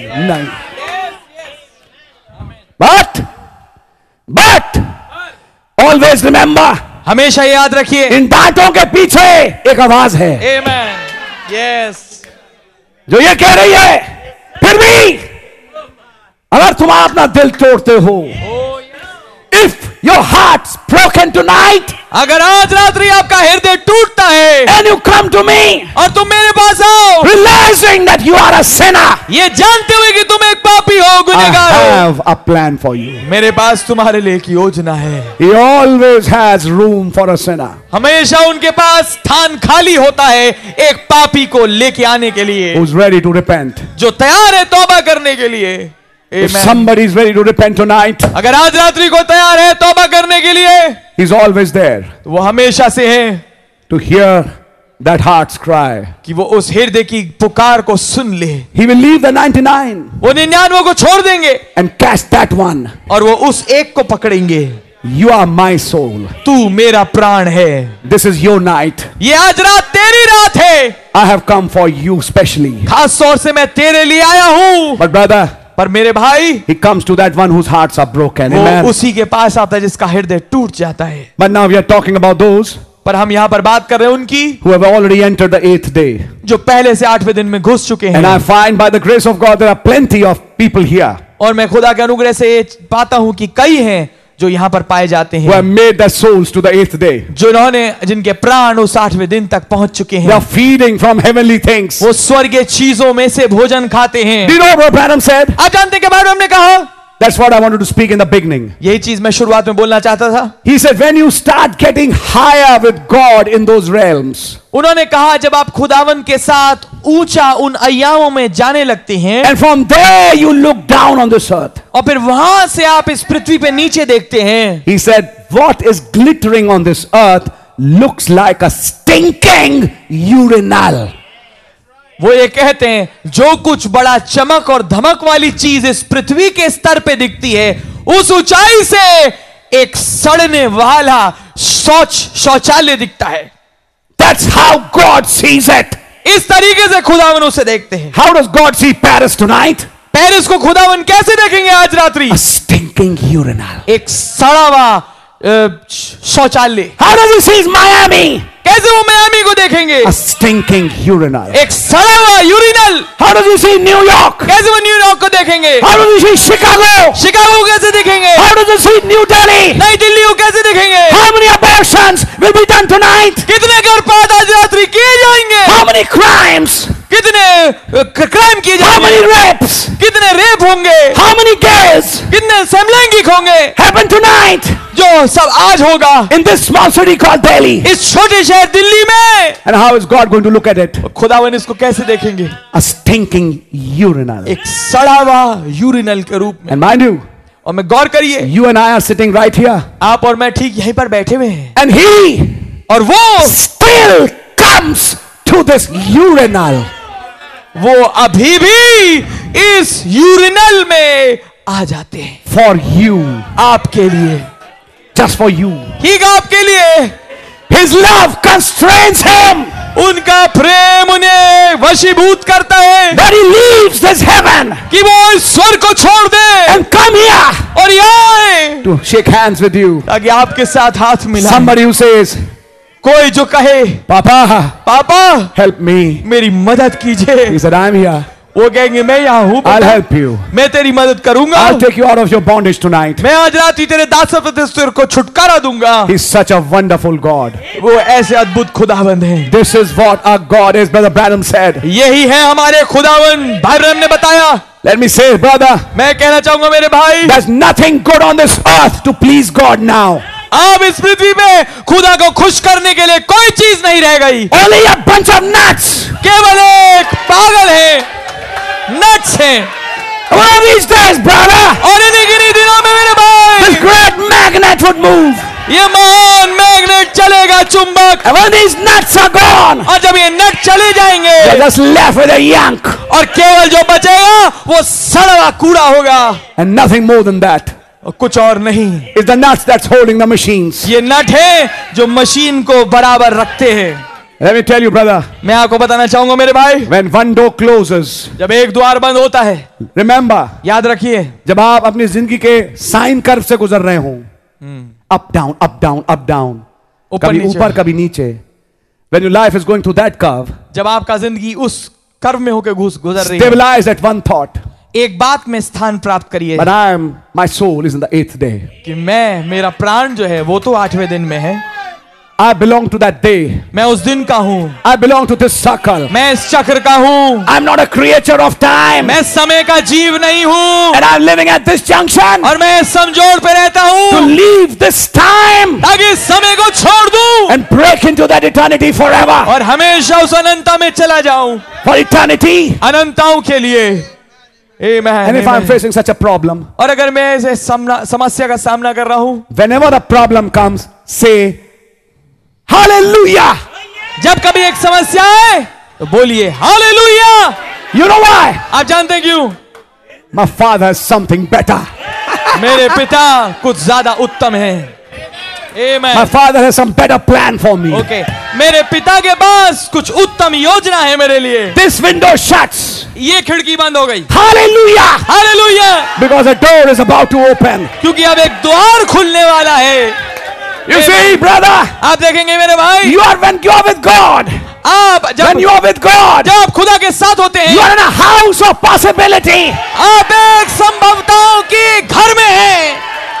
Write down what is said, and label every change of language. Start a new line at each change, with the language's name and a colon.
English: Amen.
Hindi: नहीं,
English: but always remember,
Hindi: हमेशा याद रखिए, इन दांतों के पीछे एक आवाज है।
English: Amen. Yes.
Hindi: जो ये कह रही है, फिर भी अगर तुम अपना दिल तोड़ते हो,
English: if your heart's broken tonight,
Hindi: अगर आज रात्रि आपका हृदय टूटता है,
English: and you come to me,
Hindi: और तुम मेरे पास आओ,
English: realizing that you are a sinner,
Hindi: ये जानते हुए कि तुम एक पापी हो, गुनेगार हो,
English: I have a plan for you,
Hindi: मेरे पास तुम्हारे लिए एक योजना है,
English: he always has room for a sinner,
Hindi: हमेशा उनके पास स्थान खाली होता है एक पापी को लेके आने के लिए,
English: who's ready to repent,
Hindi: जो तैयार है तौबा करने के लिए.
English: Amen. If somebody is ready to repent tonight,
Hindi: अगर आज रात्रि को तैयार है तौबा करने के लिए,
English: he's always there,
Hindi: तो वो हमेशा से है,
English: to hear that heart's cry,
Hindi: कि वो उस हृदय की पुकार को सुन ले,
English: he will leave the 99,
Hindi: वो 99 को छोड़ देंगे,
English: and catch that one,
Hindi: और वो उस एक को पकड़ेंगे.
English: You are my soul.
Hindi: तू मेरा प्राण है.
English: This is your night.
Hindi: ये आज रात तेरी रात है.
English: I have come for you specially.
Hindi: खास तौर से मैं तेरे लिए आया हूँ.
English: But brother,
Hindi: पर मेरे भाई,
English: he comes to that one whose hearts are broken.
Hindi: वो उसी के पास आता है जिसका हृदय टूट जाता है.
English: But now we are talking about those,
Hindi: पर हम यहाँ पर बात कर रहे हैं उनकी,
English: who have already entered the eighth day,
Hindi: जो पहले से आठवें दिन में घुस चुके हैं.
English: And I find by the grace of God there are plenty of people here.
Hindi: और मैं खुदा के अनुग्रह से पाता हूँ कि कई हैं जो यहाँ पर पाए जाते हैं.
English: Who have made their souls to the eighth day,
Hindi: जो इन्होंने जिनके प्राण उस आठवें दिन तक पहुंच चुके हैं.
English: They are feeding from heavenly things,
Hindi: वो स्वर्गीय चीजों में से भोजन खाते हैं.
English: Do you know what Branham said?
Hindi: आप जानते हैं क्या ब्रैनहम ने कहा?
English: That's what I wanted to speak in the beginning.
Hindi: यही चीज मैं शुरुआत में बोलना चाहता था.
English: He said, when you start getting higher with God in those realms,
Hindi: उन्होंने कहा जब आप खुदावन के साथ ऊंचा उन अयामों में जाने लगते हैं,
English: and from there you look down on this earth,
Hindi: और फिर वहां से आप इस पृथ्वी पे नीचे देखते हैं.
English: He said, what is glittering on this earth looks like a stinking urinal.
Hindi: वो ये कहते हैं जो कुछ बड़ा चमक और धमक वाली चीज इस पृथ्वी के स्तर पे दिखती है उस ऊंचाई से एक सड़ने वाला शौचालय दिखता है.
English: That's how God sees it.
Hindi: इस तरीके से खुदावन उसे देखते हैं.
English: How does God see Paris tonight?
Hindi: Paris को खुदावन कैसे देखेंगे आज रात्रि?
English: A stinking urinal.
Hindi: एक सड़ावा शौचालय.
English: How does he see Miami?
Hindi: कैसे वो मायामी को देखेंगे?
English: A stinking urinal.
Hindi: एक सड़ावा urinal.
English: How does he see New York?
Hindi: कैसे वो न्यूयॉर्क को देखेंगे?
English: How does he see Chicago?
Hindi: Chicago कैसे देखेंगे?
English: How does he see New Delhi?
Hindi: नई दिल्ली को कैसे देखेंगे?
English: How many abortions will be done tonight?
Hindi: कितने गर्भपात आज रात्रि किए जाएंगे?
English: How many crimes?
Hindi: कितने क्राइम किए जाएंगे?
English: How many rapes?
Hindi: कितने रेप होंगे?
English: How many gays?
Hindi: कितने समलैंगिक होंगे?
English: Happen tonight.
Hindi: जो सब आज होगा.
English: In this small city called Delhi.
Hindi: इस छोटे शहर दिल्ली में.
English: And how is God going to look at it?
Hindi: खुदावन इसको कैसे देखेंगे?
English: A stinking urinal.
Hindi: एक सड़ावा urinal के रूप में.
English: And mind you.
Hindi: और मैं गौर करिए.
English: You and I are sitting right here.
Hindi: आप और मैं ठीक यहीं पर बैठे हुए हैं.
English: And he.
Hindi: और वो.
English: Still comes to this urinal.
Hindi: वो अभी भी इस urinal में आ जाते हैं.
English: For you.
Hindi: आपके लिए.
English: Just for you. He gave
Hindi: के लिए.
English: His love constrains him.
Hindi: उनका प्रेम उन्हें वशीभूत करता है.
English: That he leaves this heaven.
Hindi: कि वो इस स्वर्ग को छोड़ दे.
English: And come here.
Hindi: और यहाँ आए.
English: To shake hands with you.
Hindi: ताकि आपके साथ हाथ मिलाए.
English: Somebody who says.
Hindi: कोई जो कहे. पापा. पापा.
English: Help me.
Hindi: मेरी मदद कीजिए.
English: He said, I'm here.
Hindi: वो कहेंगे मैं यहाँ हूँ.
English: I'll help you.
Hindi: मैं तेरी मदद करूँगा.
English: I'll take you out of your bondage tonight.
Hindi: मैं आज रात ही तेरे दासत्व से को छुटकारा दूँगा.
English: He's such a wonderful God.
Hindi: वो ऐसे अद्भुत खुदावंद हैं.
English: This is what our God is, Brother Branham said.
Hindi: यही है हमारे खुदावंद. भाई ब्रैनहम ने बताया.
English: Let me say, brother.
Hindi: मैं कहना चाहूँगा मेरे भाई.
English: There's nothing good on this earth to please God now.
Hindi: अब इस पृथ्वी में खुदा को खुश करने के लिए कोई चीज नहीं रह गई.
English: Only a bunch of nuts.
Hindi: केवल एक पागल है. Nuts हैं.
English: One of these days, brother.
Hindi: और इन्हीं किन्हीं दिनों में मेरे भाई.
English: This great magnet would move.
Hindi: ये महान मैग्नेट चलेगा चुंबक.
English: And when these nuts are gone.
Hindi: और जब ये नट चले जाएंगे.
English: They're just left with a yank.
Hindi: और केवल जो बचेगा वो सड़ा कूड़ा होगा.
English: And nothing more than that.
Hindi: और कुछ और नहीं.
English: It's the nuts that's holding the machines.
Hindi: ये नट है जो मशीन को बराबर रखते हैं.
English: Let me tell you, brother.
Hindi: मैं आपको बताना चाहूंगा मेरे भाई.
English: When one door closes,
Hindi: जब एक द्वार बंद होता है.
English: Remember,
Hindi: याद रखिए. जब आप अपनी जिंदगी के साइन कर्व से गुजर रहे हो.
English: Up down up down.
Hindi: कभी ऊपर कभी नीचे.
English: When your life is going through that curve,
Hindi: जब आपका जिंदगी उस कर्व में होकर गुजर रही है.
English: Stabilize at one thought.
Hindi: एक बात में स्थान प्राप्त करिए।
English: But I am, my soul is in the eighth day.
Hindi: कि मैं मेरा प्राण जो है वो तो आठवें दिन में है।
English: I belong to that day.
Hindi: मैं उस दिन का हूँ।
English: I belong to this circle.
Hindi: मैं इस चक्र का हूँ।
English: I am not a creature of time.
Hindi: मैं समय का जीव नहीं हूँ।
English: And I am living at this junction.
Hindi: और मैं इस समझौते पे रहता हूँ।
English: To leave this time.
Hindi: ताकि समय को छोड़ दूँ।
English: And break into that eternity forever.
Hindi: और हमेशा उस अनंता में चला जाऊँ।
English: For eternity.
Hindi: अनंताओं के लिए। Amen.
English: And if I'm facing such a problem.
Hindi: और अगर मैं इस समस्या का सामना कर रहा हूँ।
English: Whenever a problem comes, say. Hallelujah!
Hindi: जब कभी एक समस्या है तो बोलिए Hallelujah!
English: You know why?
Hindi: आप जानते क्यों?
English: My father has something better.
Hindi: मेरे पिता कुछ ज्यादा उत्तम है.
English: Amen. My father has some better plan for me. Okay.
Hindi: मेरे पिता के पास कुछ उत्तम योजना है मेरे लिए.
English: This window shuts.
Hindi: ये खिड़की बंद हो गई.
English: Hallelujah! Hallelujah! Because a door is about to open.
Hindi: क्योंकि अब एक द्वार खुलने वाला है.
English: You see, brother.
Hindi: आप देखेंगे मेरे भाई.
English: You are when you are with God.
Hindi: आप जब
English: when you are with God.
Hindi: जब आप खुदा के साथ होते हैं.
English: You are in a house of possibility.
Hindi: आप एक संभवताओं के घर में हैं.